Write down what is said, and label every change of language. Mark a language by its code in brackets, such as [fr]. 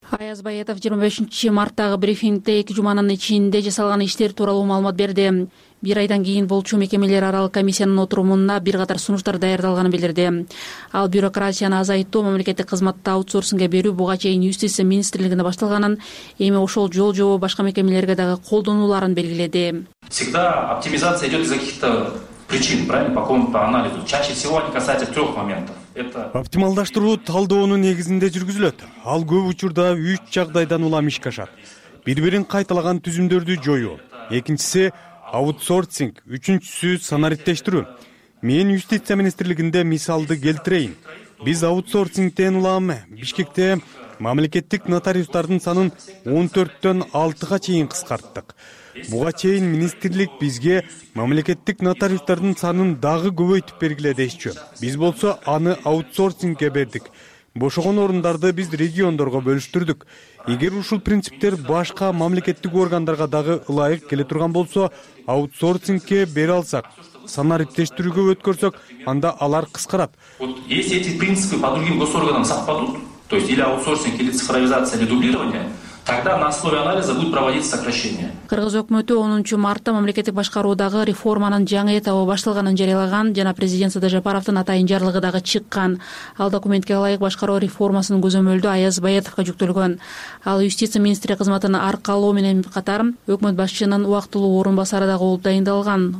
[ky] Аяз Байетов 25 марттагы брифингде 2 жуманын ичинде жасалган иштер тууралуу маалымат берди. Бир айдан кийин болчу мекемелер аралык комиссиянын отурумуна бир катар сунуштар даярдалганын билдирди. Ал бюрократияны азайтуу, мамлекеттик кызматты аутсорсинге берүү буга чейин юстиция министрлигинде башталганын, эми ошол жол жобо башка мекемелерге дагы колдонууларын белгиледи. [ru] Всегда оптимизация идет из каких-то причин, правильно, по какому-то анализу. Чаще всего они касаются трех моментов. [ky] Оптималдаштыруу талдоонун негизинде жүргүзүлөт. Ал көп учурда 3 жагдайдан улам ишкашат. Бири-бирин кайталаган түзүмдөрдү жоюу. Экинчиси аутсорсинг, үчүнчүсү санариттештирүү. Мен юстиция министрлигинде мисалды келтирейин. Биз аутсорсингден улам Бишкекте мамлекеттик нотариустардын санын 14-төн 6 чейин кыскарттык. Буга чейин министрлик бизге мамлекеттик нотариустардын санын дагы көбөйтүп бергиле дешчү. Биз болсо аны аутсорсингге бердик. Бошогон орундарды биз региондорго бөлүштүрдүк. Эгер ушул принциптер башка мамлекеттик органдарга дагы ылайык келе турган болсо, аутсорсингге бере алсак, санариптештирүүгө өткөрсөк, анда алар кыскарат. [ru] Вот если эти принципы по другим госорганам совпадут, то есть или аутсорсинг, или цифровизация, или дублирование, тогда на основе анализа будет проводиться сокращение. [ky] Кыргыз өкмөтү 10 мартта мамлекеттик башкаруудагы реформанын жаңы этабы башталганын жарыялаган жана президент С.Д. Жапаровдун атайын жарлыгы дагы чыккан. Ал документке ылайык башкаруу реформасынын көзөмөлдү Аяз Байетовго жүктөлгөн. Ал юстиция министри кызматын аркалоо менен катар өкмөт башчынын убактылуу орун басары дагы болуп дайындалган.